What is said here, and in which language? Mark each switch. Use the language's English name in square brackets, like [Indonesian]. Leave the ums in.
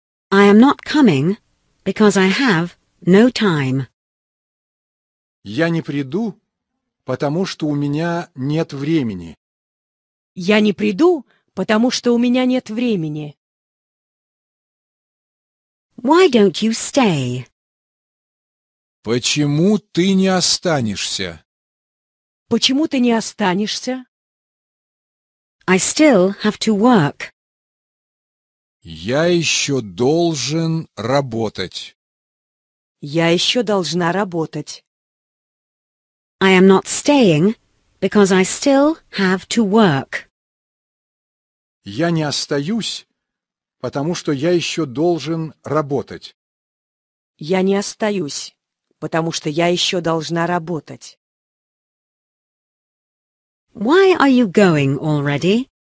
[English] I am not coming, because I have no time. [Russian] Я не приду, потому что у меня нет времени. Я не приду, потому что у меня нет времени. [English] Why don't you stay? [Russian] Почему ты не останешься? Почему ты не останешься? [English] I still have to work. [Russian] Я еще должен работать. Я еще должна работать. [English] I am not staying, because I still have to work. [Russian] Я не остаюсь, потому что я еще должен работать. Я не остаюсь, потому что я еще должна работать. [English] Why are you going already?